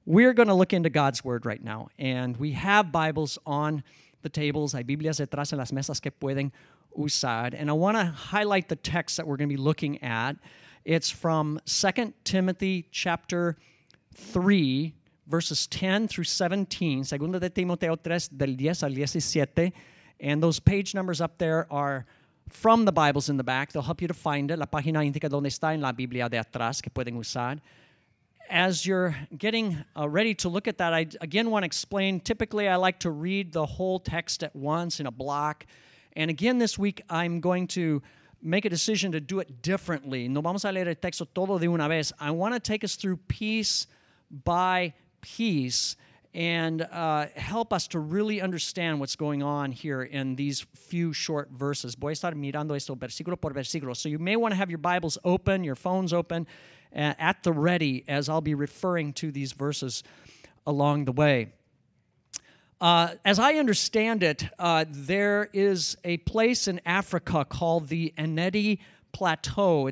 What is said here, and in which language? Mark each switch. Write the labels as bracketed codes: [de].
[en] We're going to look into God's Word right now, and we have Bibles on the tables. [es] Hay Biblias detrás en las mesas que pueden usar. [en] And I want to highlight the text that we're going to be looking at. It's from 2 Timothy chapter 3, verses 10 through 17. [es] Segunda de Timoteo 3, del 10 al 17. [en] And those page numbers up there are from the Bibles in the back. They'll help you to find it. [es] La página indica donde está en la Biblia de atrás que pueden usar. [en] As you're getting ready to look at that, I again want to explain, typically I like to read the whole text at once in a block. And again this week, I'm going to make a decision to do it differently. [es] No vamos a leer el texto todo de una vez. [en] I want to take us through piece by piece and help us to really understand what's going on here in these few short verses. [es] Voy a estar mirando esto versículo por versículo. [en] So you may want to have your Bibles open, your phones open, at the ready, as I'll be referring to these verses along the way. As I understand it, there is a place in Africa called the Enedi Plateau.